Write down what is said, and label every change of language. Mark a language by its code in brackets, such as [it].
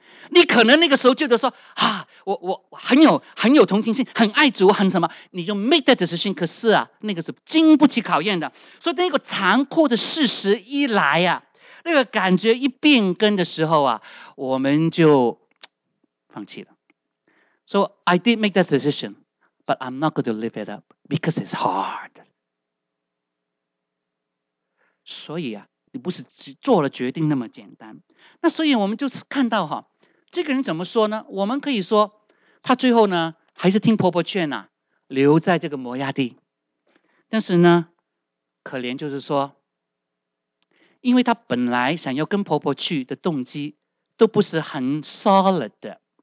[zh] 你可能那个时候觉得说啊，我很有同情心，很爱主，很什么，你就 [en] make that decision。 [zh] 可是啊，那个是经不起考验的。所以那个残酷的事实一来啊，那个感觉一变更的时候啊，我们就放弃了。 [en] So I did make that decision, but I'm not going to live it up because it's hard. [zh] 所以啊，你不是做了决定那么简单。那所以我们就看到哈，这个人怎么说呢？我们可以说，他最后呢，还是听婆婆劝啊，留在这个摩押地。但是呢，可怜就是说，因为他本来想要跟婆婆去的动机都不是很 solid 的。